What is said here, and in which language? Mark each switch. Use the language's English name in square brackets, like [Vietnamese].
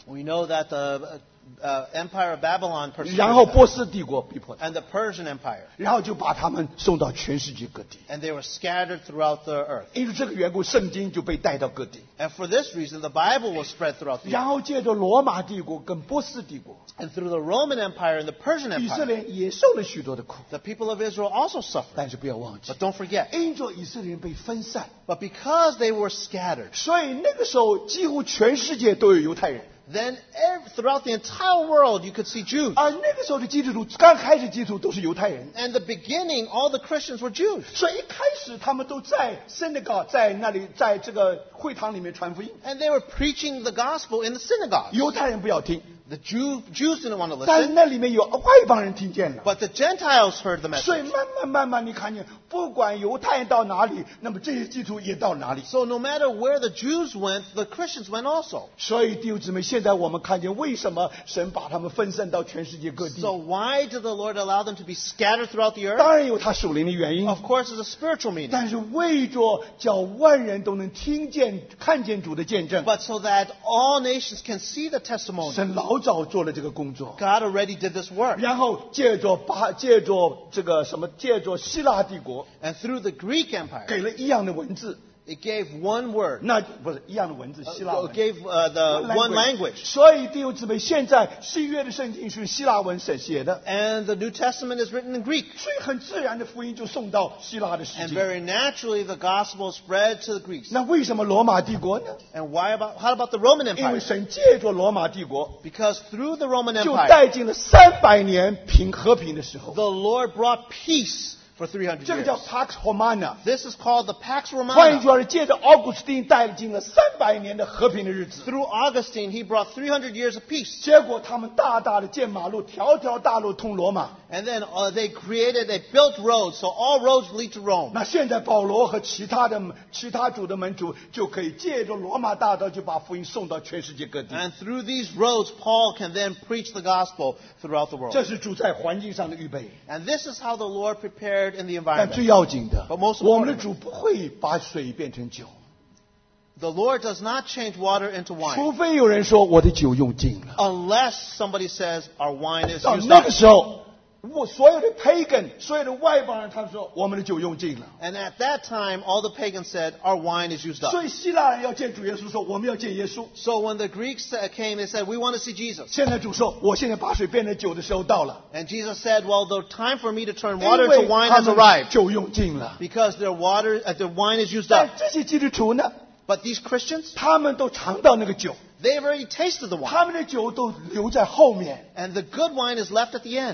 [English] we know that the Empire of Babylon persecuted, [Chinese] 然后波斯帝国逼迫他们, [English] and the Persian Empire, [Chinese] 然后就把他们送到全世界各地, [English] and they were scattered throughout the earth. [Chinese] 因为这个缘故, 圣经就被带到各地, [English] and for this reason the Bible was spread throughout the earth. [Chinese] 然后借着罗马帝国跟波斯帝国, [English] and through the Roman Empire and the Persian Empire, [Chinese] 以色列也受了许多的苦, [English] the people of Israel also suffered. [Chinese] 但是不要忘记, [English] but don't forget, [Chinese] 因着以色列人被分散, [English] but because they were scattered, [Chinese] 所以那个时候几乎全世界都有犹太人, [English] then throughout the entire world you could see Jews. [Chinese] 而那个时候的基督徒刚开始基督徒都是犹太人, [English] and the beginning all the Christians were Jews. [Chinese] 所以一开始他们都在 synagogue, 在那里在这个会堂里面传福音, [English] and they were preaching the gospel in the synagogue. [Chinese] 犹太人不要听, [English] the Jews didn't want to listen. [Chinese] 但那里面有外邦人听见了, [English] but the Gentiles heard the message. [Chinese] 所以慢慢慢慢你看见, 不管犹太人到哪里, 那么这些基督徒也到哪里。 [English] So no matter where the Jews went, the Christians went also. [Chinese] 所以弟兄姊妹, 现在我们看见, 为什么神把他们分散到全世界各地。 [English] So why did the Lord allow them to be scattered throughout the earth? [Chinese] 当然有他属灵的原因。 [English] Of course, it's a spiritual meaning. [Chinese] 但是为着叫万人都能听见, 看见主的见证。 [English] But so that all nations can see the testimony. [Chinese] 神老早做了这个工作。 [English] God already did this work. [Chinese] 然后借着希腊帝国, [English] and through the Greek Empire, [Chinese] 给了一样的文字, [English] it gave one word. [Chinese] 那不是一样的文字, 希腊文, [English] gave the language. One language. [Chinese] 所以弟兄姊妹, 现在新约的圣经是希腊文写的, [English] and the New Testament is written in Greek. [Chinese] 所以很自然的福音就送到希腊的世界, [English] and very naturally the gospel spread to the Greeks. [Chinese] 那为什么罗马帝国呢? [English] And why about, how about the Roman Empire? [Chinese] 因为神借着罗马帝国, [English] because through the Roman Empire, [Chinese] 就带进了300年平和平的时候, [English] the Lord brought peace for 300 years. [Chinese] 这个叫 Pax Romana. [English] This is called the Pax Romana. [Chinese] 换句话说，借着奥古斯丁带进了300年的和平的日子。 [English] Through Augustine, he brought 300 years of peace. [Chinese] 结果他们大大的建马路，条条大路通罗马。 [English] And then they created, they built roads, so all roads lead to Rome. [Chinese] 那现在保罗和其他主的门徒就可以借着罗马大道就把福音送到全世界各地。 [English] And through these roads, Paul can then preach the gospel throughout the world. [Chinese] 这是主在环境上的预备。 [English] And this is how the Lord prepared in the environment. [Chinese] 但最要紧的, [English] but most important, the Lord does not change water into wine. [Chinese] 除非有人说我的酒用尽了, [English] unless somebody says our wine is used up. [Chinese] 到那个时候, 所有的pagan, 所有的外邦人, 他们说我们的酒用尽了。 [English] And at that time, all the pagans said, our wine is used up. [Chinese] 所以希腊人要见主耶稣说我们要见耶稣。 [English] So when the Greeks came, they said, we want to see Jesus. [Chinese] 现在主说我现在把水变成酒的时候到了。 [English] And Jesus said, well, the time for me to turn water to wine has arrived. [Chinese] 酒用尽了。 [English] Because their wine is used up. [Chinese] 但这些基督徒呢, [English] But these Christians, [Chinese] 他们都尝到那个酒, [English] they've already tasted the wine. And the good wine is left at the end.